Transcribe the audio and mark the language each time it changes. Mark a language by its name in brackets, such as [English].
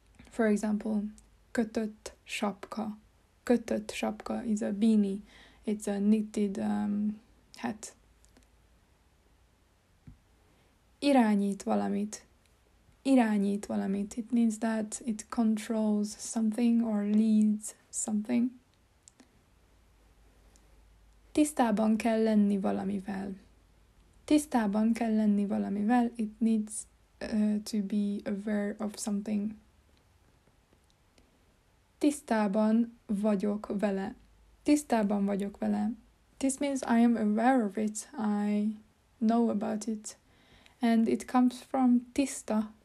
[English] For example, [Hungarian] kötött sapka. Kötött sapka [English] is a beanie. It's a knitted hat. [Hungarian] Irányít valamit. Irányít valamit. [English] It means that it controls something or leads something. [Hungarian] Tisztában kell lenni valamivel. Tisztában kell lenni valamivel. [English] It needs to be aware of something. [Hungarian] Tisztában vagyok vele. Tisztában vagyok vele. [English] This means I am aware of it. I know about it. And it comes from tiszta.